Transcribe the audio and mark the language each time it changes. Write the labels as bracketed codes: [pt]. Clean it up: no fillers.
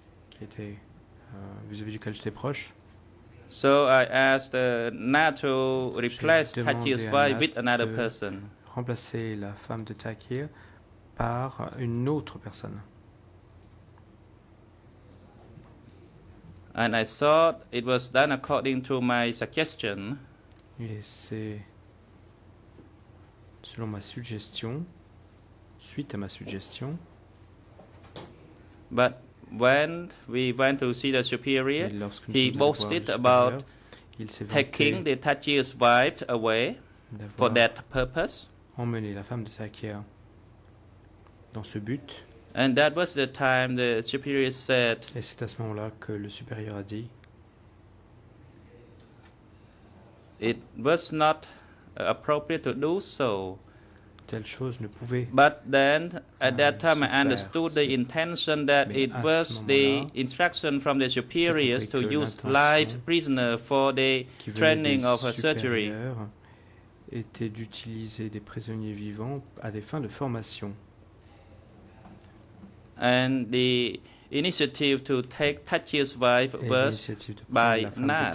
[fr] Qui était vis-à-vis duquel j'étais proche. [en] So I asked Nat to replace Takir's wife with another person. [fr] Remplacer la femme de Takir par une autre personne. [en] And I thought it was done according to my suggestion. [fr] Et c'est selon ma suggestion, suite à ma suggestion. [en] But when we went to see the superior, he boasted about taking the Takir's wife away for that purpose. [fr] Emmener la femme de Takir dans ce but. [en] And that was the time the superior said. [fr] Et c'est à ce moment-là que le supérieur a dit. [en] It was not appropriate to do so. [fr] Telle chose ne pouvait. [en] But then, at that time, I understood the intention that it was the instruction from the superiors to use live prisoner for the training of a surgery. [fr] Était d'utiliser des prisonniers vivants à des fins de formation. [en] And the initiative to take Takir's wife was by Nat.